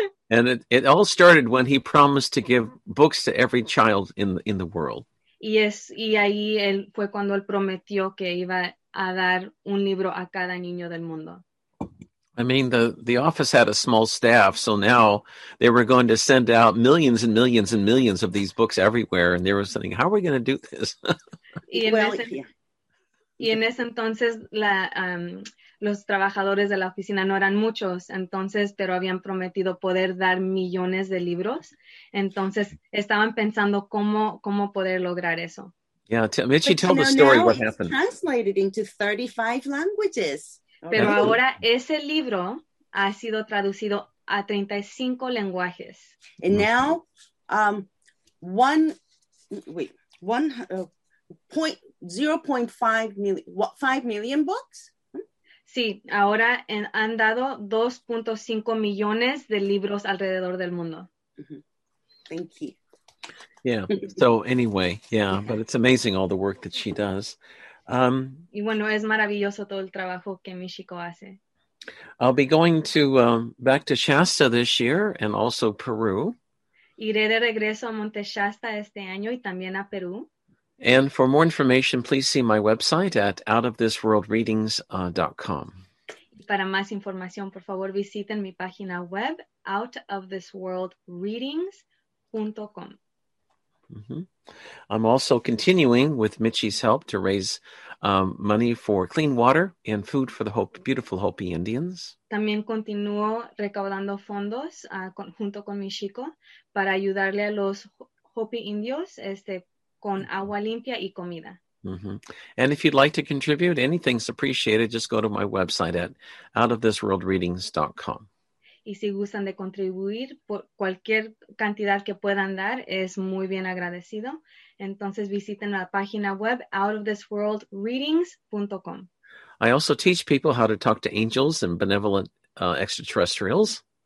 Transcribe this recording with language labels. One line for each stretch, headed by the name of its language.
English: And it all started when he promised to give books to every child in the world.
Spanish: Y ahí él fue cuando él prometió que iba a dar un libro a cada niño del mundo.
English: I mean, the office had a small staff, so now they were going to send out millions and millions and millions of these books everywhere, and they were saying, how are we going to do this?
Spanish: Y en ese entonces la los trabajadores de la oficina no eran muchos, entonces, pero habían prometido poder dar millones de libros. Entonces, estaban pensando cómo poder lograr eso.
English: Yeah, Mitchie, tell the story, what happened. Translated into 35 languages.
Spanish: Pero ahora ese libro ha sido traducido a 35 lenguajes.
English: And now, 0.5 million books?
Spanish: Sí, ahora han dado 2.5 millones de libros alrededor del mundo.
English: Thank you. Yeah, so anyway, yeah, but it's amazing all the work that she does.
Spanish: Y bueno, es maravilloso todo el trabajo que Michiko hace.
English: I'll be going to back to Shasta this year and also Peru.
Spanish: Iré de regreso a Monte Shasta este año y también a Perú.
English: And for more information, please see my website at outofthisworldreadings.com.
Spanish: Para más información, por favor, visiten mi página web, outofthisworldreadings.com.
English: Mm-hmm. I'm also continuing with Mitchie's help to raise money for clean water and food for the Hope, beautiful Hopi Indians.
Spanish: También continúo recaudando fondos junto con Michiko para ayudarle a los Hopi Indios con agua limpia y comida. Mm-hmm.
English: And if you'd like to contribute, anything's appreciated. Just go to my website at outofthisworldreadings.com.
Spanish: Y si gustan de contribuir, por cualquier cantidad que puedan dar, es muy bien agradecido. Entonces visiten la página web outofthisworldreadings.com.
English: I also teach people how to talk to angels and benevolent extraterrestrials.